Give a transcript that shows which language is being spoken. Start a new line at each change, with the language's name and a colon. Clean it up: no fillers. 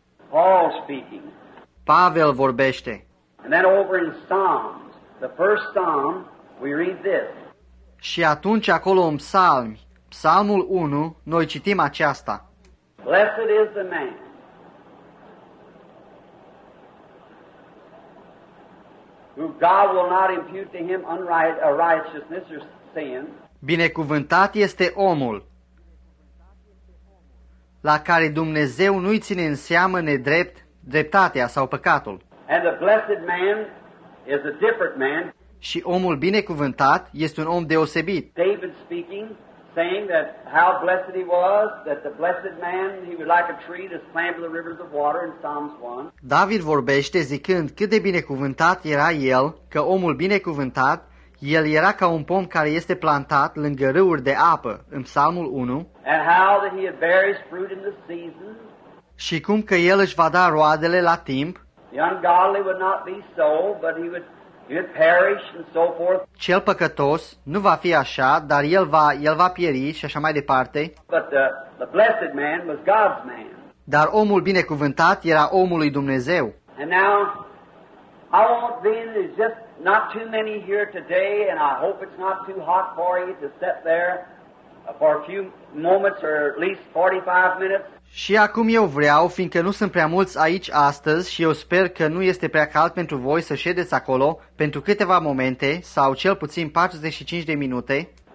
English: Paul speaking.
Romanian: Pavel vorbește.
English: And then over in Psalms, the first psalm, we read this.
Romanian: Și atunci acolo în psalmi, psalmul 1, noi citim aceasta.
English: Blessed is the man. Who God will not impute to him unrighteousness or sin.
Romanian: Binecuvântat este omul la care Dumnezeu nu-i ține în seamă nedrept, dreptatea sau păcatul.
English: And the blessed man is a different man.
Romanian: Și omul binecuvântat este un om deosebit.
English: David speaking, saying that how blessed he was, that the blessed man, he was like a tree that's planted by the rivers of water in Psalms 1.
Romanian: David vorbește zicând cât de binecuvântat era el, că omul binecuvântat, el era ca un pom care este plantat lângă râuri de apă, în Psalmul 1.
English: And how that he had various fruit in the season.
Romanian: Și cum că el își va da roadele la timp.
English: The ungodly would not be so, but he would perish and so forth.
Romanian: Cel păcătos nu va fi așa, dar el va pieri și așa mai departe.
English: But the blessed man was God's man.
Romanian: Dar omul binecuvântat era omul lui Dumnezeu.
English: And now, I want then, there's just not too many here today, and I hope it's not too hot for you to sit there for a few moments or at least 45 minutes.
Romanian: Și acum eu vreau, fiindcă nu sunt prea mulți aici astăzi și eu sper că nu este prea cald pentru voi să ședeți acolo pentru câteva momente sau cel puțin 45 de minute.